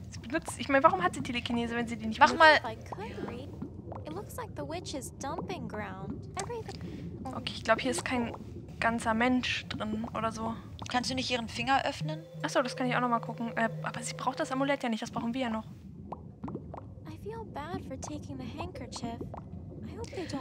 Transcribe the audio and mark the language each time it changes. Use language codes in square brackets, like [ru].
[de] Sie benutzt, ich meine, warum hat sie Telekinese, wenn sie die nicht macht? [en] It looks like the witch is dumping ground. [de] Okay, ich glaube, hier ist kein ganzer Mensch drin oder so. Kannst du nicht ihren Finger öffnen? Achso, das kann ich auch nochmal gucken. Aber sie braucht das Amulett ja nicht, das brauchen wir ja noch. [en] I feel bad for taking the handkerchief. I hope